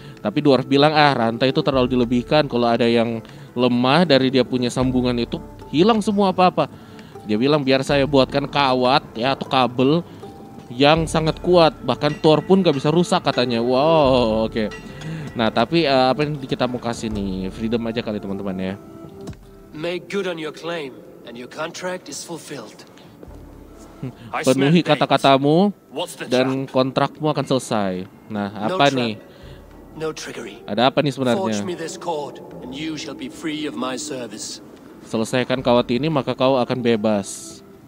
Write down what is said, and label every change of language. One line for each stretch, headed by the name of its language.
Indonesian: Tapi dwarf bilang, ah rantai itu terlalu dilebihkan. Kalau ada yang lemah dari dia punya sambungan itu, hilang semua apa-apa. Dia bilang, biar saya buatkan kawat ya atau kabel yang sangat kuat. Bahkan Thor pun gak bisa rusak katanya. Wow, oke. Nah, tapi apa yang kita mau kasih nih? Freedom aja kali teman-teman ya.
English: Make good on your claim and your contract is fulfilled.
Indonesian: Penuhi kata-katamu dan kontrakmu akan selesai. Nah, apa nih?
English: No trickery.
Indonesian: Ada apa nih sebenarnya?
English: Forge me this cord and you shall be free of my service.
Indonesian: Selesaikan kawat ini maka kau akan bebas.